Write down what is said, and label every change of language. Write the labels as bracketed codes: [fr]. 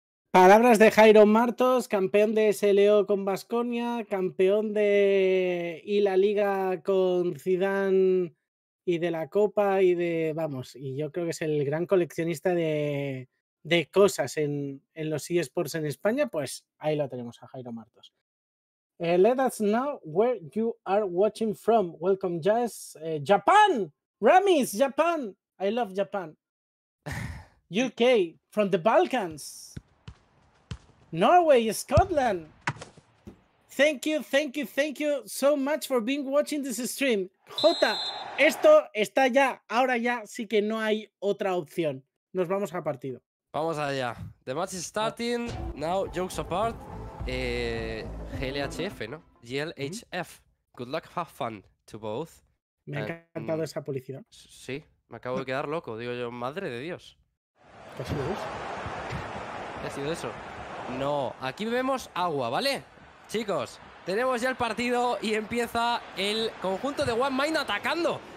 [es] Palabras de Jairo Martos, campeón de SLO con Baskonia, campeón de la Liga con Zidane y de la Copa y de, vamos, y yo creo que es el gran coleccionista de cosas en los eSports en España, pues ahí lo tenemos a Jairo Martos. [en] Let us know where you are watching from. Welcome, Jazz. Japan! Ramis, Japan! I love Japan. UK, from the Balkans. Norway, Scotland. Thank you so much for being watching this stream. [es] Jota, esto está ya. Ahora ya sí que no hay otra opción. Nos vamos al partido. Vamos allá. [en] The match is starting. Now, jokes apart. GLHF, ¿no? GLHF. Good luck, have fun to both. [es] Me ha encantado esa publicidad. Sí, me acabo de quedar loco. Digo yo, madre de Dios. ¿Qué ha sido eso? ¿Qué ha sido eso? No, aquí vemos agua, ¿vale? Chicos, tenemos ya el partido y empieza el conjunto de One Mind atacando.